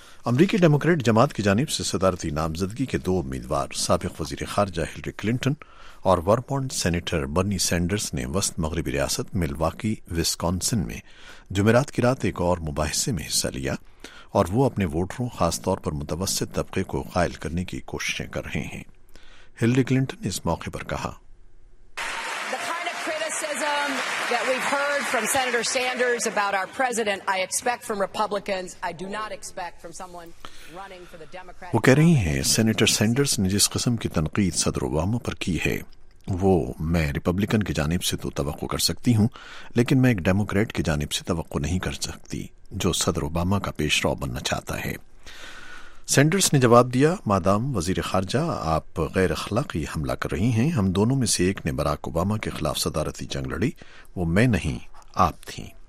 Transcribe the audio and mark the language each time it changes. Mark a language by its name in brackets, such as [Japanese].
[Urdu] امریکی ڈیموکریٹ جماعت کی جانب سے صدارتی نامزدگی کے دو امیدوار سابق وزیر خارجہ ہلری کلنٹن اور ورمونٹ سینیٹر برنی سینڈرز نے وسط مغربی ریاست ملواکی وسکانسن میں جمعرات کی رات ایک اور مباحثے میں حصہ لیا اور وہ اپنے ووٹروں خاص طور پر متوسط طبقے کو قائل کرنے کی کوششیں کر رہے ہیں. ہلری کلنٹن نے اس موقع پر کہا, [English] that we've heard from Senator Sanders about our president, I expect from Republicans, I do not expect from someone running for the Democratic. [Urdu] وہ کہہ رہی ہیں سینیٹر سینڈرز نے جس قسم کی تنقید صدر اوباما پر کی ہے وہ میں ریپبلکن کی جانب سے تو توقع کر سکتی ہوں, لیکن میں ایک ڈیموکریٹ کی جانب سے توقع نہیں کر سکتی جو صدر اوباما کا پیش رو بننا چاہتا ہے. سینڈرز نے جواب دیا, مادام وزیر خارجہ آپ غیر اخلاقی حملہ کر رہی ہیں, ہم دونوں میں سے ایک نے باراک اوباما کے خلاف صدارتی جنگ لڑی, وہ میں نہیں آپ تھیں.